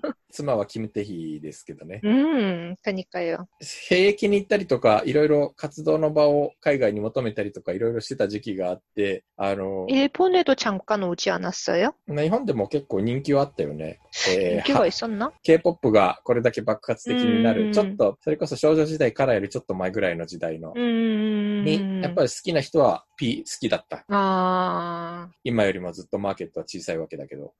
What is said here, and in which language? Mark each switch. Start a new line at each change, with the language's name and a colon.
Japanese: 妻はキムテヒですけどね。
Korean: 그니까요。
Japanese: 兵役に行ったりとか、いろいろ活動の場を海外に求めたりとか、いろいろしてた時期があって、
Korean: 일본에도잠깐오지않았어요?
Japanese: 日本でも結構人気はあったよね。
Korean: 인기가있었나?
Japanese: K-POP がこれだけ爆発的になる、ちょっと、それこそ少女時代からよりちょっと前ぐらいの時代の、に、やっぱり好きな人は P 好きだった。今よりもずっとマーケットは小さいわけだけど。